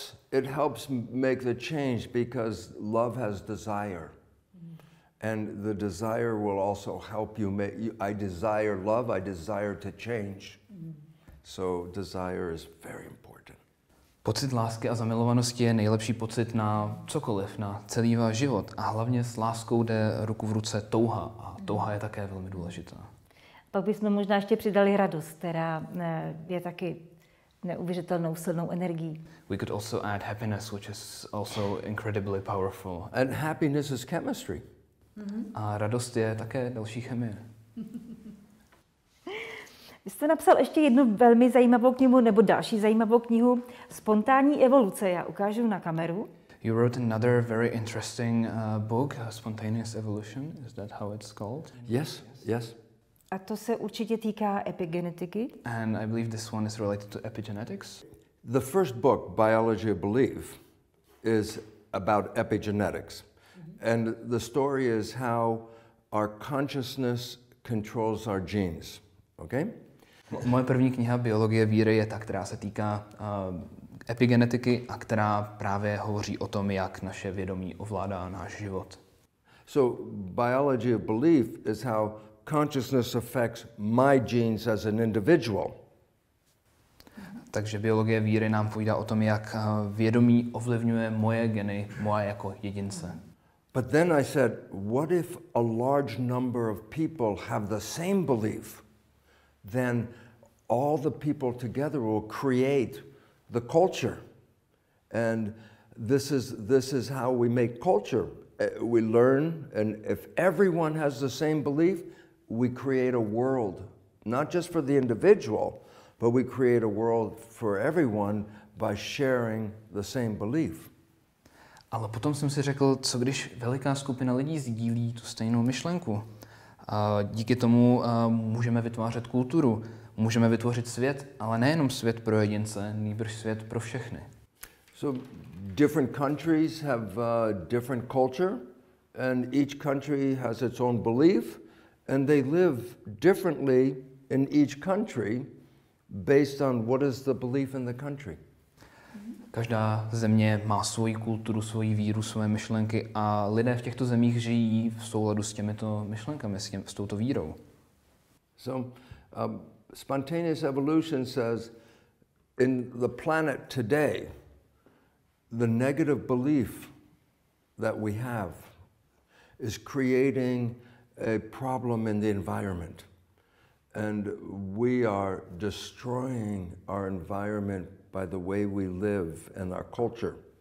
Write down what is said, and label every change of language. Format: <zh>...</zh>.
<en>It helps make the change because love has desire. And the desire will also help you make, I desire love, I desire to change. So desire is very important.</en> <cs>Pocit lásky a zamilovanosti je nejlepší pocit na cokoliv, na celý váš život. A hlavně s láskou jde ruku v ruce touha. A touha je také velmi důležitá. Pak bychom možná ještě přidali radost, která je taky neuvěřitelnou silnou energií.</cs> <en>We could also add happiness, which is also incredibly powerful. And happiness is chemistry.</en> <cs>A radost je také další chemie. Vy jste napsal ještě jednu velmi zajímavou knihu, nebo další zajímavou knihu, Spontánní evoluce. Já ukážu na kameru.</cs> <en>You wrote another very interesting book, Spontaneous Evolution. Is that how it's called? Yes.</en> <cs>A to se určitě týká epigenetiky.</cs> <en>And I believe this one is related to epigenetics. The first book, Biology of Belief, is about epigenetics. And the story is how our consciousness controls our genes. Okay?</en> <cs>Moje první kniha Biologie víry je ta, která se týká epigenetiky a která právě hovoří o tom, jak naše vědomí ovládá náš život.</cs> <en>So biology of belief is how consciousness affects my genes as an individual.</en> <cs>Takže biologie víry nám povídá o tom, jak vědomí ovlivňuje moje geny, moje jako jedince.</cs> <en>But then I said, what if a large number of people have the same belief? Then all the people together will create the culture. And this is how we make culture. We learn, and if everyone has the same belief, we create a world, not just for the individual, but we create a world for everyone by sharing the same belief.</en> <cs>Ale potom jsem si řekl, co když veliká skupina lidí sdílí tu stejnou myšlenku? Díky tomu můžeme vytvářet kulturu, můžeme vytvořit svět, ale nejenom svět pro jedince, nýbrž svět pro všechny.</cs> <en>So different countries have a different culture and each country has its own belief and they live differently in each country based on what is the belief in the country.</en> <cs>Každá země má svoji kulturu, svoji víru, svoje myšlenky a lidé v těchto zemích žijí v souladu s těmito myšlenkami, s touto vírou.</cs> <en>So, spontaneous evolution says in the planet today the negative belief that we have is creating a problem in the environment and we are destroying our environment by the way we live and our culture.</en>